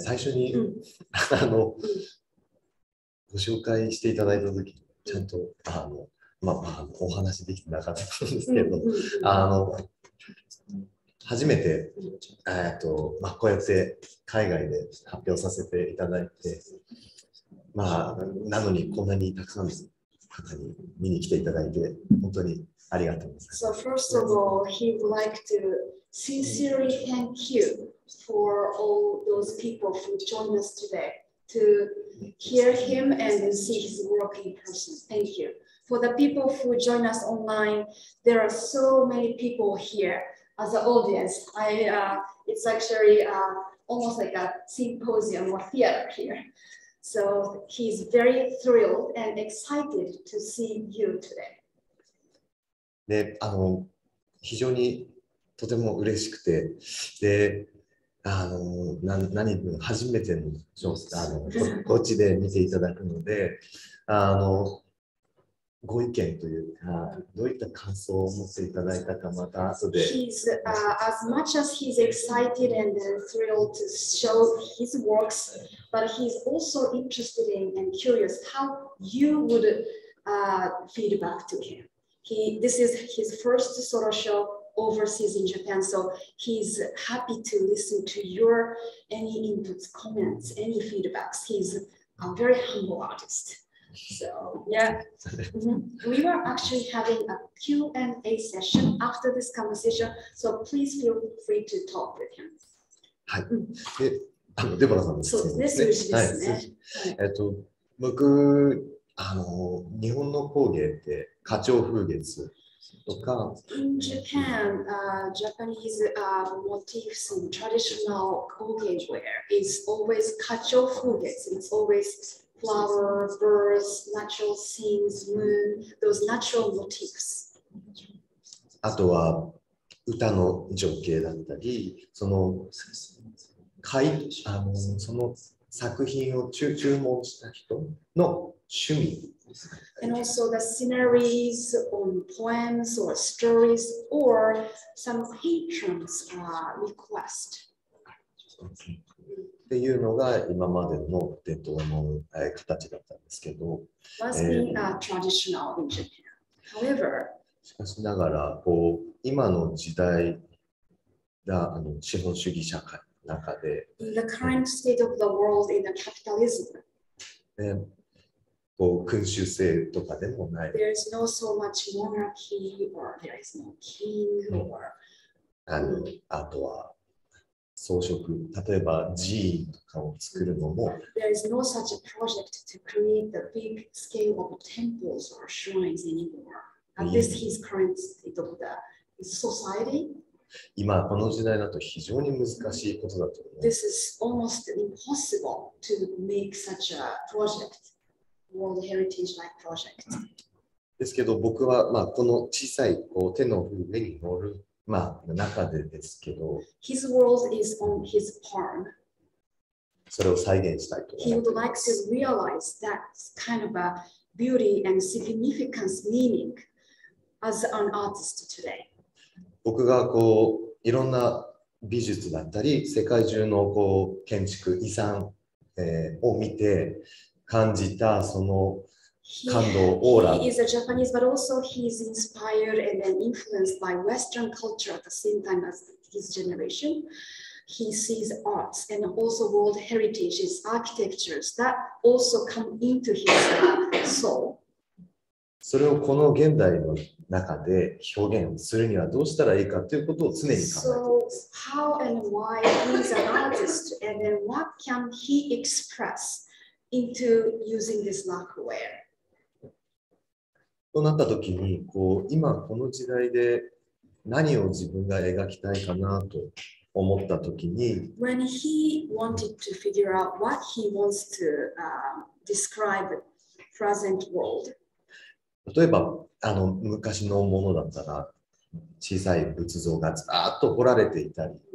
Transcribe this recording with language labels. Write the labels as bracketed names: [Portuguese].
[Japanese] 最初に、ご紹介していただいたとき、ちゃんと、お話できてなかったんですけど、初めて、こうやって海外で発表させていただいて、なのにこんなにたくさんの方に見に来ていただいて、本当にありがとうございます。 [English] So first of all, he would like to sincerely thank you for all those people who joined us today to hear him and see his work in person. Thank you. For the people who join us online, there are so many people here. as an audience. It's actually almost like a symposium or theater here. So he's very thrilled and excited to see you today. [Japanese] で、非常にとても嬉しくて、で、何分初めて こっちで見ていただくので、ご意見というか、どういった感想を持っていただいたか、また後で。 [English] He's, as much as he's excited and thrilled to show his works, but he's also interested in and curious how you would, feedback to him. This is his first solo show overseas in Japan, so he's happy to listen to your any inputs, comments, any feedbacks. He's a very humble artist. So yeah, we were actually having a Q&A session after this conversation, so please feel free to talk with him. [Japanese] はい。で、デボラさんですね。そうですね。はい。僕日本の工芸って花鳥風月とか。 [English] In Japan, Japanese motifs and traditional工芸 ware is always 花鳥風月. It's always flowers, birds, natural scenes, moon, those natural motifs. [Japanese] あとは歌の情景だったり、その絵その作品を注文した人の趣味。 [English] And also the sceneries or poems or stories or some patrons' request. [Japanese] っていうのが今までの伝統の形だったんですけど。 [English] Was being a traditional in Japan. However, [Japanese] しかしながら、こう今の時代が資本主義社会の中で、 [English] In the current state of the world in the capitalism. [Japanese] こう君主制とかでもない。 [English] There is no so much monarchy or there is no king or [Japanese] あとは装飾、例えば寺院とかを作るのも。 [English] There is no such a project to create the big scale of temples or shrines anymore. At least his current state of the society. [Japanese] 今この時代だと非常に難しいことだと思う。 [English] This is almost impossible to make such a project. World Heritage Like Project. [Japanese] ですけど僕は、この小さいこう手の上に乗る、中でですけど。 [English] His world is on his palm. [Japanese] それを再現したいと。 [English] He would like to realize that kind of a beauty and significance meaning as an artist today. [Japanese] 僕がこういろんな美術だったり、世界中のこう建築、遺産、を見て、感じたその感動、オーラ。 [English] He is a Japanese, but also he is inspired and then influenced by Western culture at the same time as his generation. He sees arts and also world heritages, architectures that also come into his soul. [Japanese] それをこの現代の中で表現するにはどうしたらいいかということを常に考えています。 [English] So how and why he is an artist and then what can he express? Into using this lacquer. [Japanese] となった時に、こう今この時代で何を自分が描きたいかなと思った時に、 [English] When he wanted to figure out what he wants to describe present world. [Japanese] 例えば昔のものだったら、小さい仏像がずっと彫られていたり、